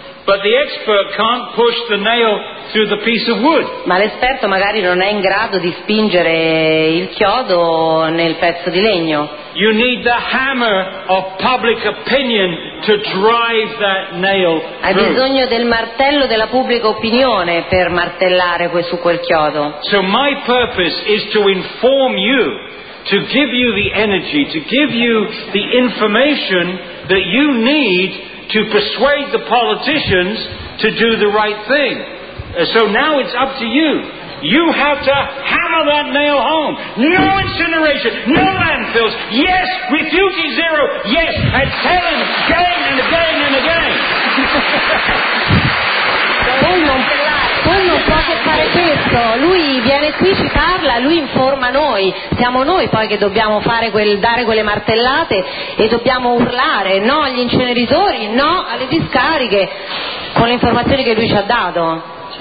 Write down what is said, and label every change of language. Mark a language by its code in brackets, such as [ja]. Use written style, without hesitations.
[en] But the expert can't push the nail through the piece of wood. [it] Ma l'esperto magari non è in grado di spingere il chiodo nel pezzo di legno. [en] You need the hammer of public opinion to drive that nail through. [it] Hai bisogno del martello della pubblica opinione per martellare su quel chiodo. [en] So my purpose is to inform you, to give you the energy, to give you the information that you need to persuade the politicians to do the right thing. So now it's up to you. You have to hammer that nail home. No incineration, no landfills. Yes, refugee zero. Yes, and tell him again and again and again. [it] Lui non può che fare questo. Lui viene qui, ci parla, lui informa noi. Siamo noi poi che dobbiamo fare dare quelle martellate e dobbiamo urlare no agli inceneritori, no alle discariche, con le informazioni che lui ci ha dato.